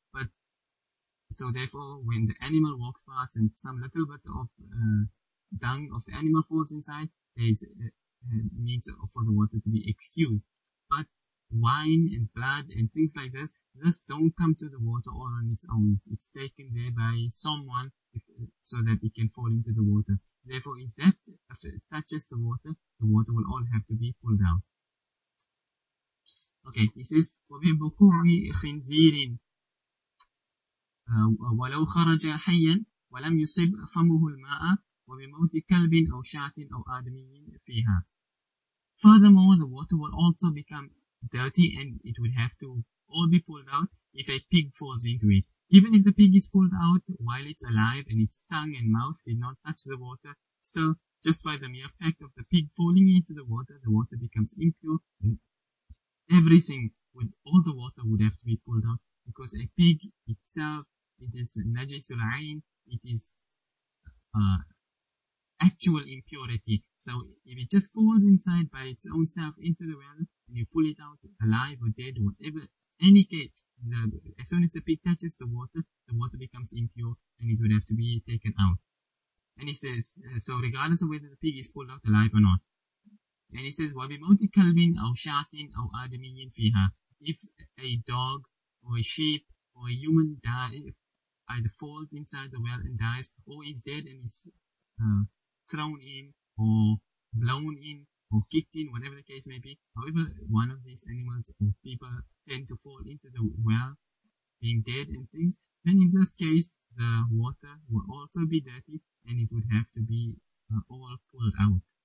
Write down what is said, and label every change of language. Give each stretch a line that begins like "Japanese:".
English: But so therefore, when the animal walks past and some little bit of dung of the animal falls inside, there is a need for the water to be excused. But wine and blood and things like this, this don't come to the water all on its own. It's taken there by someone so that it can fall into the water. Therefore, if that touches the water will all have to be pulled out. Okay, he says,
Arabic: وَبِبُقُوِّ خِنْزِيرٍ وَلَوْ خَرَجَ حَيًّا وَلَمْ يُصِبْ فَمُهُ الْمَاءَ وَبِمَوْتِ كَلْبٍ أَوْ شَاتٍ أَوْ آدَمِيٍ فِيهَا.
English: Furthermore, the water will also become dirty and it will have to all be pulled out if a pig falls into it. Even if the pig is pulled out while it's alive and its tongue and mouth did not touch the water, still, just by the mere fact of the pig falling into the water becomes impure and everything, with all the water would have to be pulled out, because a pig itself, it is najisul ayn, it is actual impurity. So if it just falls inside by its own self into the well, and you pull it out alive or dead, whatever, any case, as soon as the pig touches the water becomes impure and it would have to be taken out. And he says, so regardless of whether the pig is pulled out alive or not. And he says,
Arabic: وَبِمَوْتِ كَلْبٍ أَوْ شَاتٍ أَوْ آدَمِيٍ فِيهَا.
English: If a dog or a sheep or a human dies, either falls inside the well and dies, or is dead and is thrown in, or blown in, or kicked in, whatever the case may be, however one of these animals or people tend to fall into the well, being dead and things, then in this case, the water will also be dirty, and it would have to be all pulled out.